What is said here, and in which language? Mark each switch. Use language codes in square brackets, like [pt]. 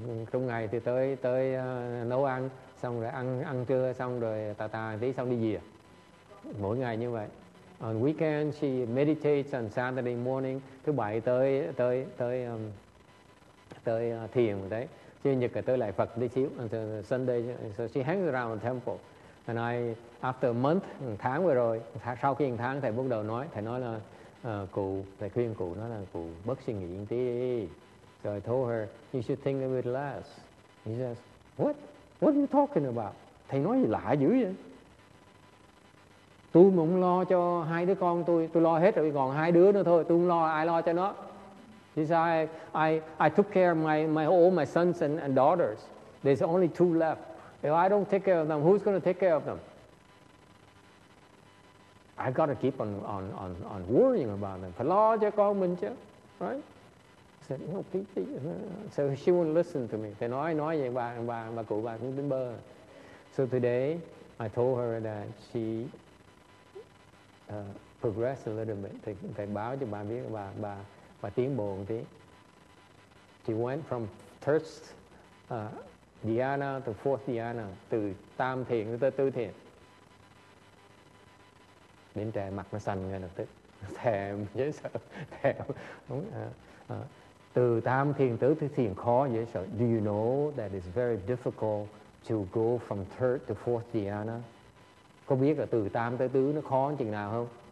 [vi] Trong ngày thì tới nấu ăn, xong rồi ăn trưa, xong rồi tà tí xong đi về. Mỗi ngày như vậy. [en] On weekend she meditates on Saturday morning. [vi] Thứ bảy tới thiền đấy. Chứ nhật là tới lại Phật đi xíu. [en] And so Sunday so she hangs around the temple. And I, after a month, [vi] tháng vừa rồi, sau khi tháng, thầy bắt đầu nói, thầy nói là, cụ, thầy khuyên cụ, nói là cụ bớt suy nghĩ tí. [en] So I told her, you should think a bit less. He says, what? What are you talking about? [vi] Thầy nói gì lạ dữ vậy? Tôi muốn lo cho hai đứa con tôi lo hết rồi, còn hai đứa nữa thôi, tôi không lo, ai lo cho nó? [en] He said, I took care of all my sons and daughters. There's only two left. If I don't take care of them, who's going to take care of them? I've got to keep on worrying about them. [vi] Phải lo cho con mình chứ, right? [en] I said, no, please. So she won't listen to me. [vi] Thầy nói vậy, bà cụ bà cũng tính bơ. [en] So today, I told her that she progressed a little bit. [vi] Thầy báo cho bà biết bà tiến bộ một tí. [en] She went from thirst Diana to fourth Diana, [vi] từ tam thiền tới tư thiền. Đến trẻ mặt nó xanh ngay lập tức. Thèm, dễ sợ. Thèm. Đúng. Từ tam thiền tới tư thiền khó, dễ sợ. [en] Do you know that it's very difficult to go from third to fourth Diana? [vi] Có biết là từ tam tới tứ nó khó chừng nào không?